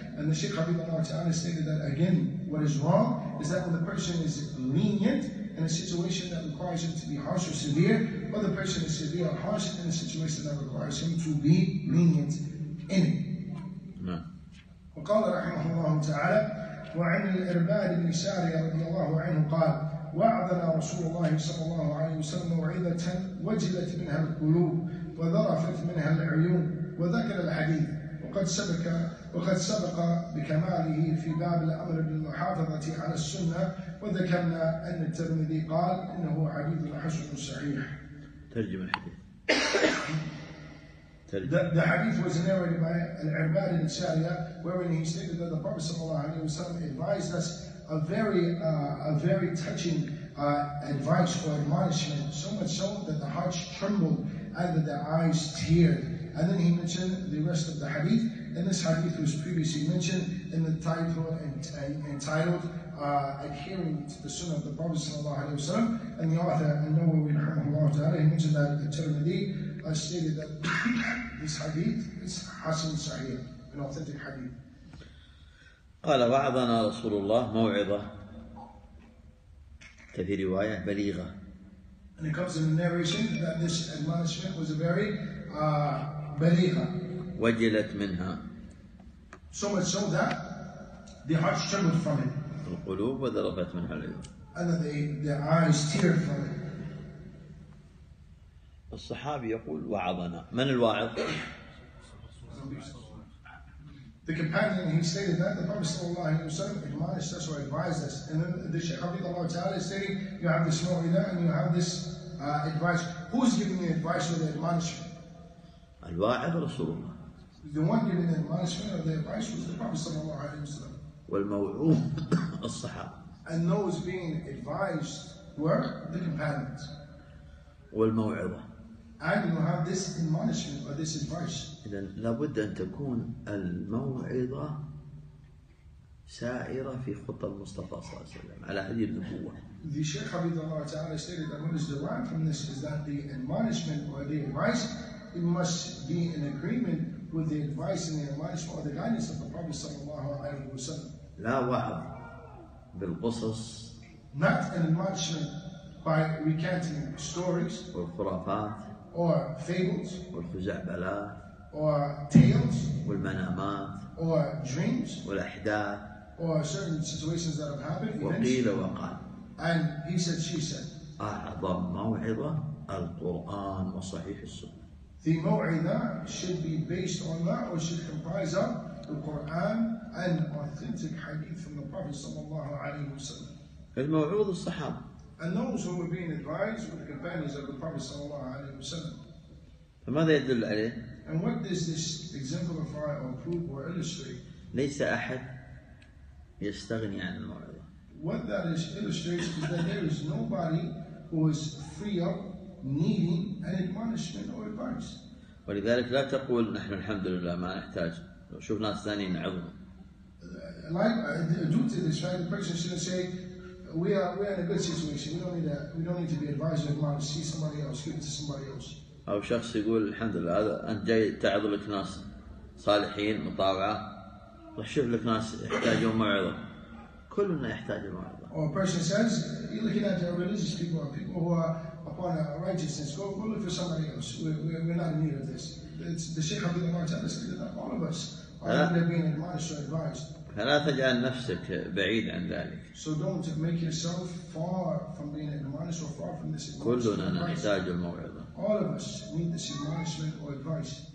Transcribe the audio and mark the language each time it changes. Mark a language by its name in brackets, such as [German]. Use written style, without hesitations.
[English] And the Shaykh Habibullah Ta'ala stated that again, what is wrong is that when the person is lenient in a situation that requires him to be harsh or severe, or the person is severe or harsh in a situation that requires him to be lenient in it. [Arabic] وقال رحمه الله تعالى وعن الإرباد بن سارية رضي الله عنه قال وعدنا رسول الله صلى الله عليه وسلم موعظة وجلت منها القلوب وذرفت منها العيون وذكر الحديث وقد سبق بكماله في باب الأمر بالمحافظة على السنة وذكرنا أن الترمذي قال إنه حديث حسن صحيح. ترجم الحديث. [English] The hadith was narrated by Al-Irbad in Sariya, wherein he stated that the Prophet sallallahu alaihi wasallam advised us a very touching advice or admonishment, so much so that the hearts trembled and that their eyes teared. And then he mentioned the rest of the hadith, and this hadith was previously mentioned in the title entitled Adhering to the Sunnah of the Prophet sallallahu alaihi wasallam, and the author, An-Nawawi rahimahullah ta'ala, he mentioned that At-Tirmidhi stated that this hadith is Hasan Sahih, an authentic hadith. [Arabic] قال وعظنا رسول الله موعظة في رواية بليغة. [English] And it comes in the narration that this admonishment was a very بليغة. [Arabic] وجلت منها. [English] So much so that the hearts trembled from it. [Arabic] القلوب وذرفت منها العيون. [English] And that their eyes teared from it. [Arabic] الصحابي يقول وعظنا. من الواعظ؟ [English] The companion, he stated that the Prophet sallallahu alaihi wasallam admonished us or advised us, and then the Shaykh Habibullah Ta'ala is saying, you have this mu'idha and you have this advice. Who's giving the advice or the admonishment? [Arabic] Al-wa'idh Rasulullah. [English] The one giving the admonishment or the advice was the Prophet sallallahu alaihi wasallam. [Arabic] Wal-maw'ud al-sahab. [English] And those being advised were the companions. [Arabic] Wal-maw'idha. [English] And you have this admonishment or this advice. [Arabic] إذن لابد أن تكون الموعظة سائرة في خطى المصطفى صلى الله عليه وسلم على هذه النبوة. [English] The Shaykh Habibullah Ta'ala stated that what is derived from this is that the admonishment or the advice, it must be in agreement with the advice and the admonishment or the guidance of the Prophet صلى الله عليه وسلم. [Arabic] لا وعظ بالقصص. [English] Not an admonishment by recanting stories. [Arabic] والخرافات. [English] Or fables, [Arabic] والخزعبلات, [English] or tales, [Arabic] والمنامات, [English] or dreams, [Arabic] والأحداث, [English] or certain situations that have happened, [Arabic] وقيل وقال. [English] And he said, she said, [Arabic] أعظم موعظة القرآن وصحيح السنة. [English] The موعظة should be based on that, or should comprise of the Quran and authentic hadith from the Prophet صلى الله عليه وسلم. [Arabic] الموعظ الصحابة. [English] And those who were being advised were the companions of the Prophet sallallahu alaihi wasallam. [Arabic] فماذا يدل عليه؟ [English] And what does this exemplify or prove or illustrate? [Arabic] ليس أحد يستغني عن الموعظة. [English] What that is illustrates is that there is nobody who is free of needing an admonishment or advice. [Arabic] ولذلك لا تقول نحن الحمد لله ما نحتاج. شوف ناس ثانيين نعظهم. [English] Like due to this, right, the person should say. We are in a good situation. We don't need to be advised or admonished. See somebody else. Give it to somebody else. [Arabic] أو شخص يقول الحمد لله هذا أنت جاي تعظ لك ناس صالحين مطاوعة رح شوف لك ناس يحتاجون موعظة كلنا يحتاج موعظة. [English] Or a person says you're looking at religious people or people who are upon a righteousness. Go look for somebody else. We're not in need of this. The Shaykh Abdullah Ta'ala said that all of us are not being admonished or advised. [Arabic] فلا تجعل نفسك بعيد عن ذلك. [English] So don't make yourself far from being admonished or far from this. [Arabic] كلنا نحتاج الموعظة. [English] All of us need this admonishment or advice.